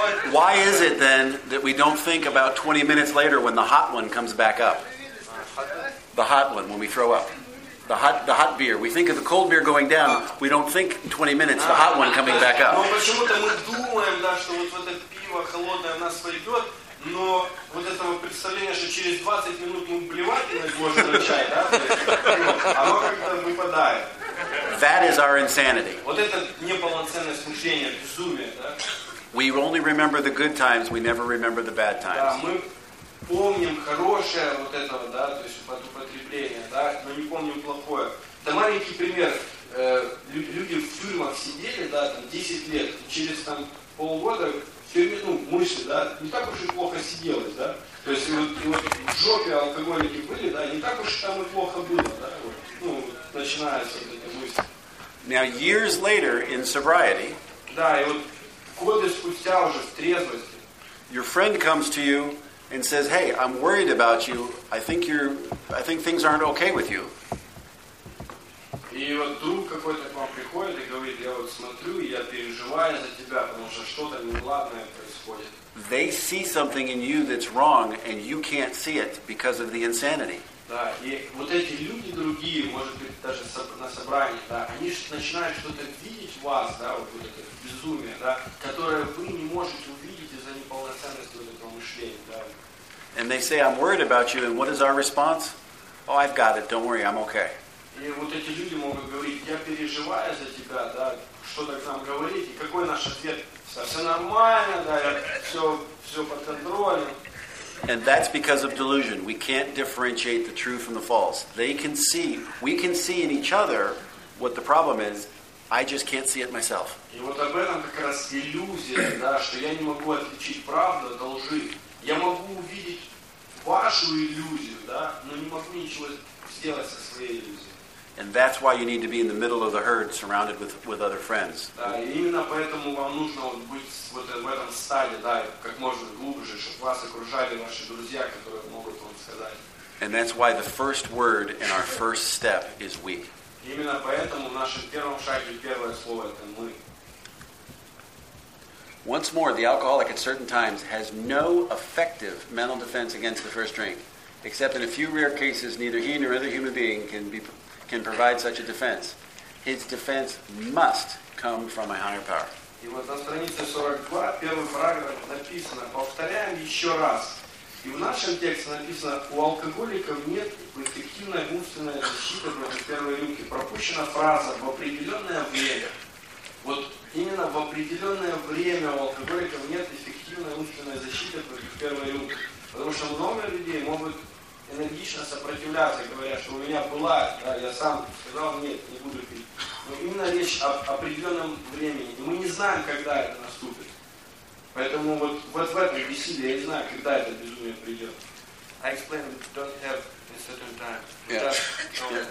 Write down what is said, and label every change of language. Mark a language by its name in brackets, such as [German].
[English] Why is it then that we don't think about 20 minutes later when the hot one comes back up? The hot one, when we throw up. The hot beer. We think of the cold beer going down. We don't think 20 minutes, the hot one coming back up. [Russian] Но вот это вот представление, что через 20 минут мы блевать и на него возвращать, да, оно как-то выпадает. [English] That is our insanity. [Russian] Вот это неполноценное смущение, безумие, да? [English] We only remember the good times, we never remember the bad times. [Russian] Да, мы помним хорошее вот этого, да, то есть под употребление, да, но не помним плохое. Это маленький пример. Люди в тюрьмах сидели, да, там 10 лет, и через там полгода в тюрьме, ну, мысли, да, не так уж и плохо сиделось, да. То есть вот в жопе алкоголики были, да, не так уж там и плохо было, да, вот, ну, вот, начинаются вот эти мысли. [English] Now, years later, in sobriety, [Russian] да, и вот годы спустя уже в трезвости, [English] your friend comes to you and says, "Hey, I'm worried about you. I think things aren't okay with you." [Russian] И вот друг какой-то к вам приходит и говорит, я вот смотрю, я переживаю за тебя, потому что что-то неладное происходит. [English] They see something in you that's wrong, and you can't see it because of the insanity. [Russian] Да, и вот эти люди другие, может быть, даже на собрании, да, они начинают что-то видеть в вас, да, вот это безумие, да, которое вы не можете увидеть из-за неполноценности вот этого мышления, да. [English] And they say, I'm worried about you, and what is our response? Oh, I've got it, don't worry, I'm okay. [Russian] И вот эти люди могут говорить, я переживаю за тебя, да, что так нам говорить, и какой наш ответ? Все нормально, да, все под контролем. [English] And that's because of delusion. We can't differentiate the true from the false. They can see, we can see in each other what the problem is. I just can't see it myself. [Russian] И вот об этом как раз иллюзия, да, что я не могу отличить правду от лжи. Я могу увидеть вашу иллюзию, да, но не могу ничего сделать со своей иллюзией. [English] And that's why you need to be in the middle of the herd, surrounded with other friends. [Russian] Да, именно поэтому вам нужно вот быть вот в этом стаде, да, как можно глубже, чтобы вас окружали ваши друзья, которые могут вам сказать. [English] And that's why the first word in our first step is we. [Russian] Именно поэтому в нашем первом шаге первое слово это мы. [English] Once more, the alcoholic at certain times has no effective mental defense against the first drink, except in a few rare cases, neither he nor other human being can provide such a defense. His defense must come from a higher power. [Russian] И вот на странице 42, первый параграф написано, повторяем еще раз. И в нашем тексте написано, у алкоголиков нет эффективной умственной защиты против первой рюмки. Пропущена фраза в определенное время. Вот именно в определенное время у алкоголиков нет эффективной умственной защиты против первой рюмки. Потому что много людей могут энергично сопротивляться, говоря, что у меня была, да, я сам сказал, нет, не буду пить. Но именно речь об определенном времени. И мы не знаем, когда это наступит. Поэтому вот в этом бессилии я не знаю, когда это безумие придет. [English] I explain that you don't have a certain time.